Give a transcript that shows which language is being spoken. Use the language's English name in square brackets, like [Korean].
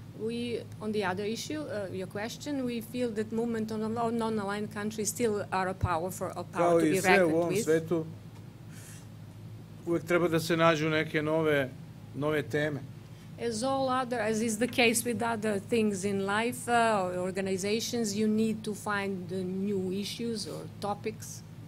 [English] We, on the other issue, your question, we feel that movement on non-aligned countries still are a power to be reckoned with. [Serbian] Kao i sve u ovom svetu, uvek treba da se nađu neke nove teme. [English] As all other, as is the case with other things in life, organizations, you need to find the new issues or topics.